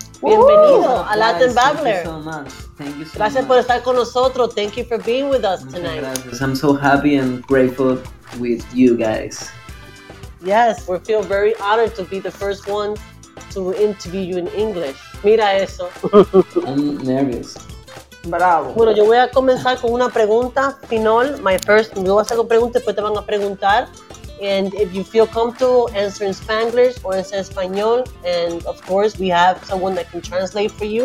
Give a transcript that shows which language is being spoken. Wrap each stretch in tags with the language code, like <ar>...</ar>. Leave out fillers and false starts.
<es>Bienvenido a Latin Babbler.</es> <en>Thank you so much. Thank you so</en> <es>gracias Por estar con nosotros.</es> <en>Thank you for being with us tonight.</en> <es>Gracias.</es> <en>I'm so happy and grateful with you guys. Yes, we feel very honored to be the first one to interview you in English.</en> <es>Mira eso.</es> <en>I'm nervous. Bravo.</en> <es>Bueno, yo voy a comenzar con una pregunta. Finol,</es> <en>my first,</en> <es>yo voy a hacer una pregunta, después te van a preguntar.</es> <en>And if you feel comfortable, answer in Spanglish or answer Español. And of course, we have someone that can translate for you.</en>